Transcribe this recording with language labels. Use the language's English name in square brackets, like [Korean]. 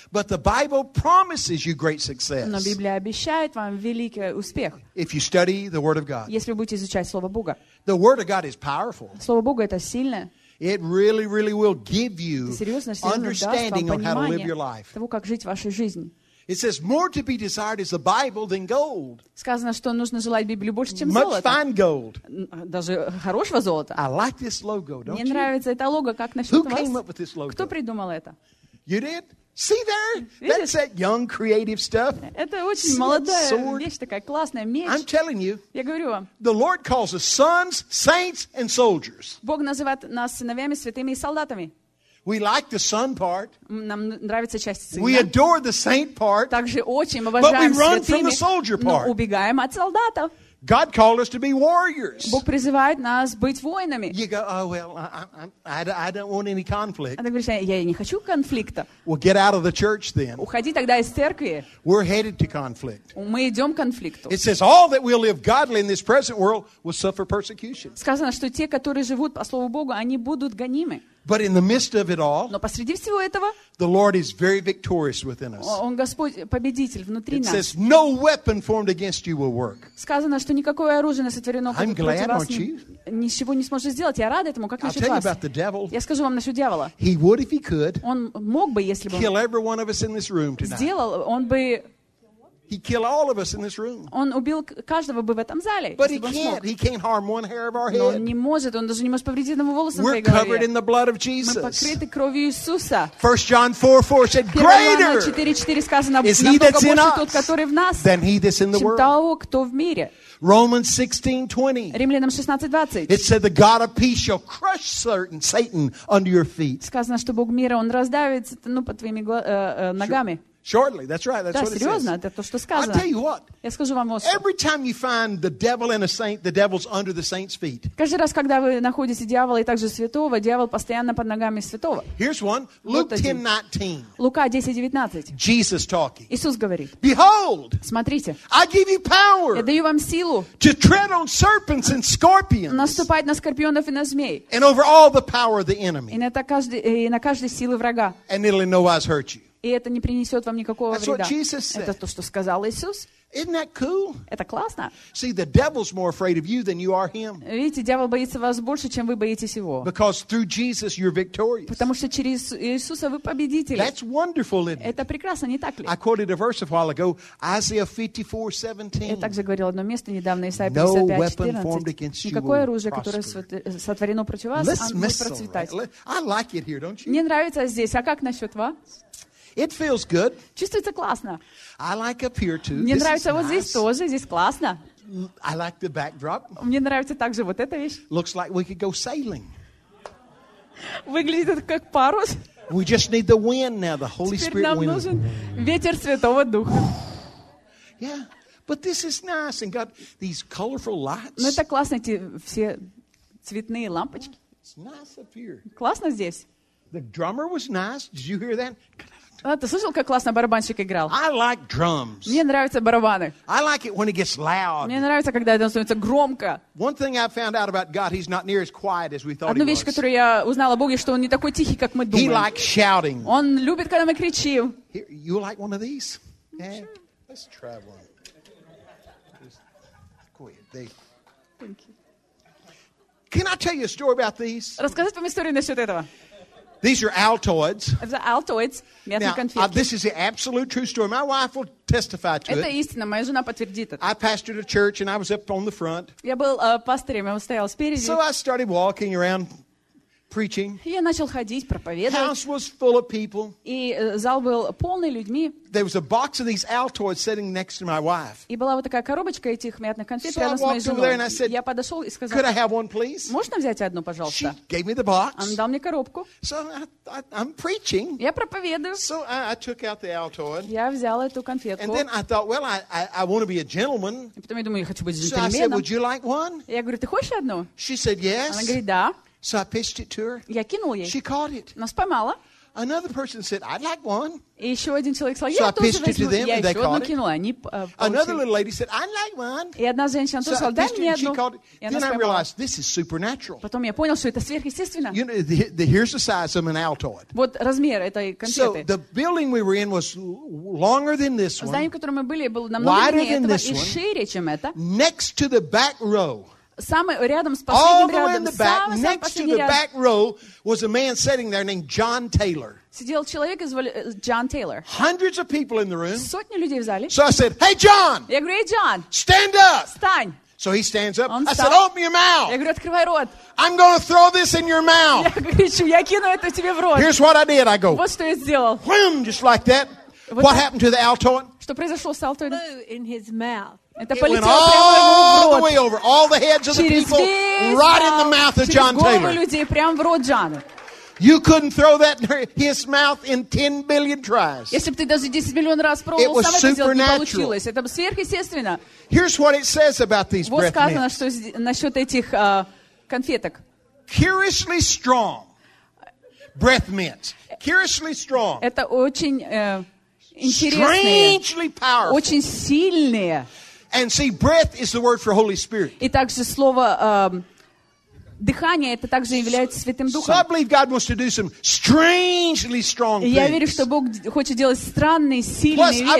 [English] But the Bible promises you great success. [Russian] Но Библия обещает вам великий успех. [English] If you study the Word of God. [Russian] Если вы будете изучать Слово Бога. [English] The Word of God is powerful. [Russian] Слово Бога это сильное. [English] It really, really will give you understanding on how to live your life. [Russian] Того, как жить вашей жизнью. [English] It says more to be desired is the Bible than gold. [Russian] Сказано, что нужно желать Библию больше, чем [English] Much [Russian] золото. [English] Much fine gold. [Russian] Даже хорошего золота. [English] I like this logo, don't [Russian] Мне [English] you? [Russian] Мне нравится это лого. Как насчет [English] Who [Russian] вас? [English] Came up with this logo? [Russian] Кто придумал это? [English] You did? See there? [Russian] Видишь? [English] That's that young creative stuff. [Russian] Это очень молодая sword. Вещь такая классная меч. [English] I'm telling you. [Russian] Я говорю вам. [English] The Lord calls us sons, saints, and soldiers. [Russian] Бог называет нас сыновьями, святыми и солдатами. [English] We like the son part. [Russian] Нам нравится часть сына. [English] We adore the saint part. [Russian] Также очень обожаем святыми. [English] But we run from the soldier part. [Russian] Но убегаем от солдатов. [English] God called us to be warriors. [Russian] Бог призывает нас быть воинами. [English] You go, oh well, I don't want any conflict. [Russian] А ты говоришь, я не хочу конфликта. [English] Well, get out of the church then. [Russian] Уходи тогда из церкви. [English] We're headed to conflict. [Russian] Мы идем к конфликту. [English] It says all that will live godly in this present world will suffer persecution. [Russian] Сказано, что те, которые живут по слову Богу, они будут гонимы. [English] But in the midst of it all, [Russian] но посреди всего этого, [English] the Lord is very victorious within us. [Russian] Он Господь победитель внутри нас. [English] It says, "No weapon formed against you will work." [Russian] Сказано, что никакое оружие не сотворено против вас. Ничего не сможет сделать. Я рад этому. Как насчет вас? [English] I'll tell you about the devil. [Russian] Я скажу вам насчет дьявола. [English] He would if he could. [Russian] Он мог бы, если бы. [English] Kill every one of us in this room tonight. [Russian] Сделал, он бы. [English] He kill all of us in this room. [Russian] Он убил каждого бы в этом зале. [English] But he can't harm one hair of our head. [Russian] Но он не может, он даже не может повредить одному волосу на своей голове. [English] We're covered in the blood of Jesus. [Russian] Мы покрыты кровью Иисуса. [English] 1 John 4:4 said, "Greater." [Russian] 4:4 сказано, намного больше тот, который в нас, [English] than he that's in the world. [Russian] Чем того, кто в мире. [English] Romans 16:20. [Russian] Римлянам 16:20. [English] It said, "The God of peace shall crush Satan under your feet." [Russian] Сказано, что Бог мира он раздавит сатану под твоими ногами. [English] Shortly, that's right. That's [Russian] да, [English] what it [Russian] серьезно, [English] says. [Russian] Это то, что сказано. [English] I'll tell you what. [Russian] Я скажу вам вот что. [English] Every time you find the devil and a saint, the devil's under the saint's feet. [Russian] Каждый раз, когда вы находите дьявола и также святого, дьявол постоянно под ногами святого. [English] Here's one. Luke 10:19. [Russian] Лука 10:19. [English] Jesus talking. [Russian] Иисус говорит. [English] Behold. [Russian] Смотрите. [English] I give you power. [Russian] Я даю вам силу. [English] To tread on serpents and scorpions. [Russian] Наступать на скорпионов и на змей. [English] And over all the power of the enemy. [Russian] И на каждой силы врага. [English] And it'll in no wise hurt you. [Russian] И это не принесет вам никакого вреда. Это то, что сказал Иисус. [English] Isn't that cool? [Russian] Это классно. [English] See, the devil's more afraid of you than you are him. [Russian] Видите, дьявол боится вас больше, чем вы боитесь его. [English] Because through Jesus you're victorious. [Russian] Потому что через Иисуса вы победители. [English] That's wonderful, isn't it? [Russian] Это прекрасно, не так ли? [English] I quoted a verse a while ago, Isaiah 54:17. [Russian] Я также говорил одно место недавно, Исаия 55:14. Никакое оружие, которое сотворено против вас, оно не процветать. [English] I like it here, don't you? [Russian] Мне нравится здесь. А как насчет вас? [English] It feels good. [Russian] Чувствуется классно. [English] I like up here too. [Russian] Мне нравится вот здесь тоже, здесь классно. [English] I like the backdrop. [Russian] Мне нравится также вот эта вещь. [English] Looks like we could go sailing. [Russian] Выглядит как парус. [English] We just need the wind now, the Holy Spirit wind. [Russian] Теперь нам нужен ветер Святого Духа. [English] Yeah, but this is nice and got these colorful lights. [Russian] Но это классно, эти все цветные лампочки. [English] It's nice up here. [Russian] Классно здесь. [English] The drummer was nice. Did you hear that? [Russian] А, ты слышал, как классно барабанщик играл? [English] I like drums. [Russian] Мне нравятся барабаны. [English] I like it when it gets loud. [Russian] Мне нравится, когда это становится громко. [English] One thing I found out about God, he's not near as quiet as we thought he was. [Russian] Одну вещь, которую я узнала о Боге, что он не такой тихий, как мы думаем. [English] He likes shouting. [Russian] Он любит, когда мы кричим. [English] Here, you like one of these? Yeah. Sure. Let's try one. Thank you. Can I tell you a story about these? [Russian] Расскажи вам историю насчет этого. [English] These are Altoids. [Russian] The Altoids, местные конфетки. [English] Now, this is the absolute true story. My wife will testify to it. [Russian] Это истина, моя жена подтвердит это. [English] I pastored a church and I was up on the front. [Russian] Я был пастырем, я стоял спереди. [English] So I started walking around preaching. [Russian] Я начал ходить, проповедовать. [English] House was full of people. [Russian] И зал был полный людьми. [English] There was a box of these Altoids sitting next to my wife. [Russian] И была вот такая коробочка этих мятных конфет рядом с моей женой. Я подошел и сказал: [English] "Could I have one, please?" [Russian] Можно взять одну, пожалуйста? [English] She gave me the box. [Russian] Она дала мне коробку. [English] So I'm preaching. [Russian] Я проповедую. [English] So I took out the Altoid. [Russian] Я взял эту конфетку. [English] And then I thought, well, I want to be a gentleman. [Russian] И потом я думаю, я хочу быть джентльменом. [English] So I said, "Would you like one?" [Russian] Я говорю, ты хочешь одну? [English] She said, "Yes." [Russian] Она говорит, да. [English] So I pitched it to her. [Russian] Я кинул ей. [English] She caught it. [Russian] Она споймала. [English] Another person said, "I'd like one." [Russian] И еще один человек сказал, "Я тоже возьму." [English] Them, [Russian] я еще одну кинула. Они, [English] Another little lady said, "I'd like one." [Russian] И одна женщина тоже сказала, "Дай мне одну." [English] Then I realized this is supernatural. [Russian] Потом я понял, что это сверхъестественно. [English] You know, here's the size of an Altoid. [Russian] Вот размер этой конфеты. [English] So the building we were in was longer than this one. [Russian] Здание, в котором мы были, было намного длиннее этого и шире, чем это. [English] Next to the back row. [Russian] Самый рядом с последним рядом, [English] back, [Russian] самый [English] next to the back row was a man sitting there named John Taylor. [Russian] Сидел человек, звали Джон Тейлор. [English] Hundreds of people in the room. [Russian] Сотни людей в зале. [English] So I said, "Hey, John." [Russian] Я говорю, Джон. [English] Stand up. [Russian] Встань. [English] So he stands up. [Russian] Он [English] I said, "Open your mouth." [Russian] Я говорю, открывай рот. [English] I'm going to throw this in your mouth. [Russian] Я кричу, я кину это тебе в рот. [English] Here's what I did. I go. [Russian] Вот что я сделал. [English] Whim, just like that. [Russian] Вот [English] what happened to the Altoid? [Russian] Что произошло с Altoid? [English] Blew in his mouth. [Russian] Это полетело прямо ему в рот. [English] The over, all the heads of the [Russian] через [English] people right in the mouth of John Taylor. [Russian] Голову людей прямо в рот Джона. [English] You couldn't throw that in his mouth in 10 billion tries. [Russian] Если бы ты даже 10 миллион раз пробовал, сам это сделать не получилось. Это сверхъестественно. [English] Here's what it says about these breath mints. [Russian] Вот сказано, что насчет этих конфеток. [English] Curiously strong breath mints. Curiously strong. [Russian] Это очень интересные, очень сильные. [English] And see, breath is the word for Holy Spirit. [Russian] И также слово дыхание, это также является Святым Духом. [English] So I believe God wants to do some strangely strong things. [Russian] Я верю, что Бог хочет делать странные, сильные вещи.